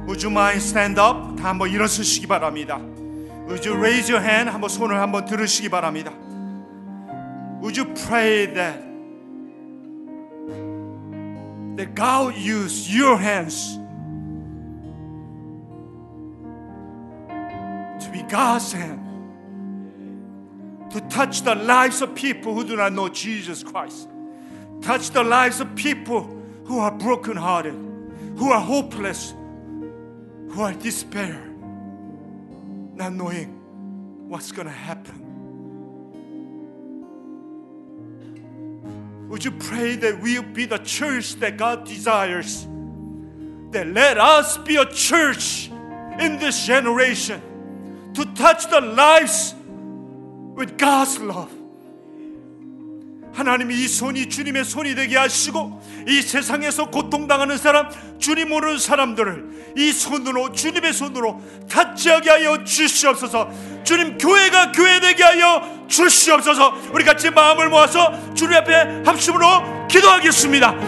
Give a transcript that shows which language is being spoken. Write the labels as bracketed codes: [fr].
[ko] 마인 스탠드업 다 한번 일어서시기 바랍니다. [en] Would you raise your hand? [ko] 한번 손을 한번 들으시기 바랍니다. [en] Would you pray that that God use your hands to be God's hand to touch the lives of people who do not know Jesus Christ. Touch the lives of people who are broken hearted, who are hopeless. Who are despair, not knowing what's going to happen. Would you pray that we'll be the church that God desires? That let us be a church in this generation to touch the lives with God's love. [ko] 하나님이 이 손이 주님의 손이 되게 하시고 이 세상에서 고통당하는 사람, 주님 모르는 사람들을 이 손으로, 주님의 손으로 타치하게 하여 주시옵소서. 주님, 교회가 교회 되게 하여 주시옵소서. 우리 같이 마음을 모아서 주님 앞에 합심으로 기도하겠습니다.